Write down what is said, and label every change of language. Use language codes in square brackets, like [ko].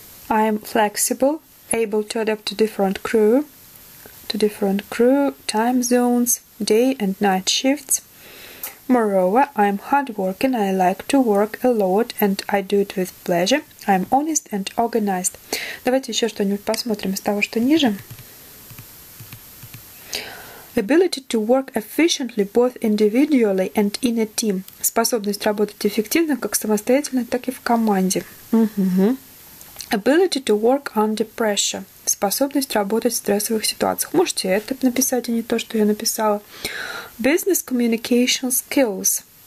[en] I am flexible, able to adapt to different crew. to different crew, time zones, day and night shifts. Moreover, I'm hardworking, I like to work a lot, and I do it with pleasure. I'm honest and organized. [ru] Давайте еще что-нибудь посмотрим из того, что ниже. [en] Ability to work efficiently both individually and in a team. [ru] Способность работать эффективно как самостоятельно, так и в команде. [en] Ability to work under pressure. [ru] Способность работать в стрессовых ситуациях. Можете это написать, а не то, что я написала. [en] Business communication skills.